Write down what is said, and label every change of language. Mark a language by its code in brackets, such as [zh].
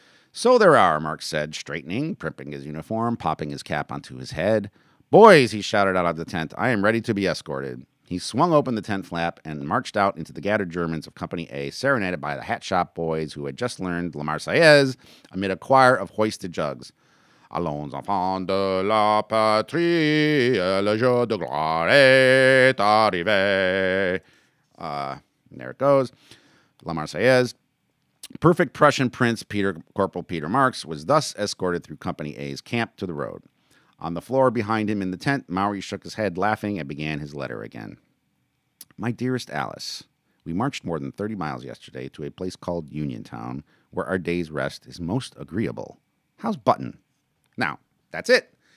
[en] So there are, Mark said, straightening, primping his uniform, popping his cap onto his head. Boys, he shouted out of the tent, I am ready to be escorted. He swung open the tent flap and marched out into the gathered Germans of Company A, serenaded by the hat shop boys who had just learned La Marseillaise amid a choir of hoisted jugs. [fr] Allons enfants de la patrie, le jour de gloire est arrivé. [en] There it goes. La Marseillaise. Perfect Prussian prince Peter, Corporal Peter Marx was thus escorted through Company A's camp to the road. On the floor behind him in the tent, Maori shook his head laughing and began his letter again. My dearest Alice, we marched more than 30 miles yesterday to a place called Uniontown, where our day's rest is most agreeable. How's Button? Now, that's it.